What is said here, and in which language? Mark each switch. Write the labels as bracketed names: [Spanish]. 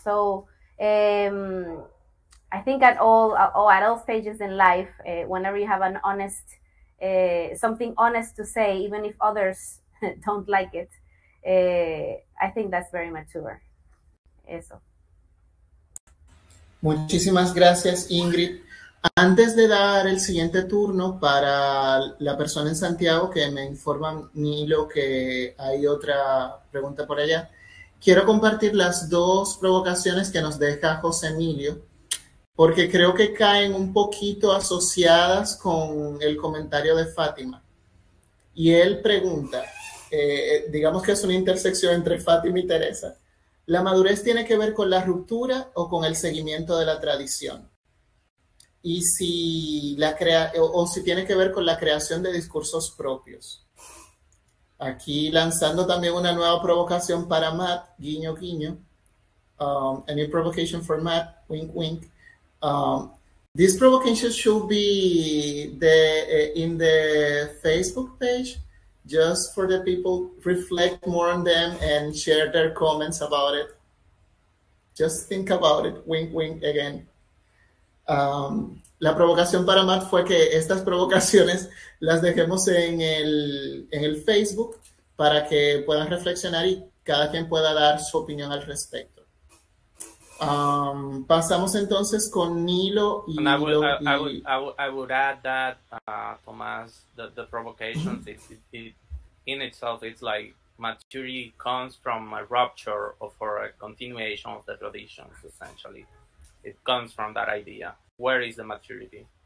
[English] So I think at all stages in life, whenever you have an honest, something honest to say, even if others don't like it, I think that's very mature. [Spanish] Eso. Muchísimas gracias, Ingrid. Antes de dar el siguiente turno para la persona en Santiago, que me informa Nilo que hay otra pregunta por allá, quiero compartir las dos provocaciones que nos deja José Emilio, porque creo que caen un poquito asociadas con el comentario de Fátima. Y él pregunta, digamos que es una intersección entre Fátima y Teresa, ¿la madurez tiene que ver con la ruptura o con el seguimiento de la tradición? Y si la si tiene que ver con la creación de discursos propios. Aquí lanzando también una nueva provocación para Matt, guiño, guiño. [English] A new provocation for Matt, wink, wink. This provocation should be in the Facebook page, just for the people reflect more on them and share their comments about it. Just think about it, wink, wink, again. [Spanish] La provocación para Matt fue que estas provocaciones las dejemos en el Facebook para que puedan reflexionar y cada quien pueda dar su opinión al respecto. Pasamos entonces con Nilo y Nilo. [English] I would add that Tomás, the provocations in itself, it's like maturity comes from a rupture or for a continuation of the traditions, essentially. It comes from that idea. Where is the maturity?